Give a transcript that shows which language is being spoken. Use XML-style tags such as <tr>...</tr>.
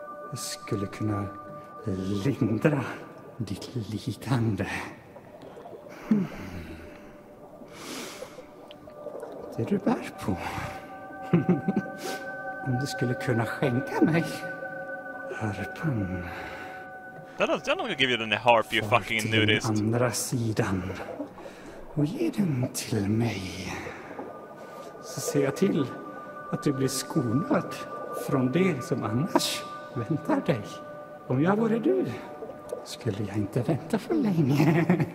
<sv>Jag skulle kunna lindra ditt lidande. Det du bär på. Om du skulle kunna skänka mig harpan.</sv> <en>That's not gonna give you the harp, you fucking nudist.</en> <sv>Far till andra sidan. Och ge den till mig. Så ser jag till att du blir skonad från det som annars väntar dig. Om jag vore du, skulle jag inte vänta för länge.</sv>